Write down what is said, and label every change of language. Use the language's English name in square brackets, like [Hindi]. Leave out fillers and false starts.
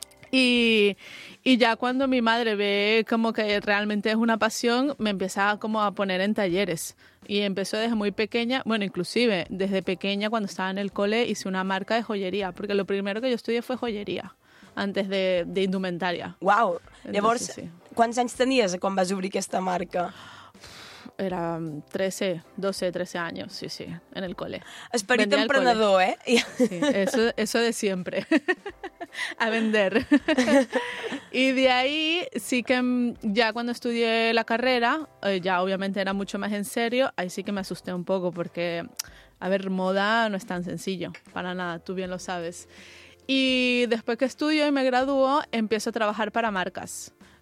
[Spanish] Y ya cuando mi madre ve como que realmente es una pasión, me empezaba como a poner en talleres. Y empezó desde muy pequeña, bueno, inclusive desde pequeña cuando estaba en el cole hice una marca de joyería, porque lo primero que yo estudié fue joyería, antes de indumentaria. [Catalan] ¡Guau! Llavors, sí. Quants anys tenies quan vas obrir aquesta marca? Era 12-13 anys, sí, sí, en el col·le. Esperit emprenedor, col·le. [Spanish] Sí, eso de siempre. A vender. Y de ahí sí que ya cuando estudié la carrera, ya obviamente era mucho más en serio, ahí sí que me asusté un poco porque, a ver, moda no es tan sencillo, para nada, tú bien lo sabes. Y después que estudio y me gradúo, empiezo a trabajar para marcas.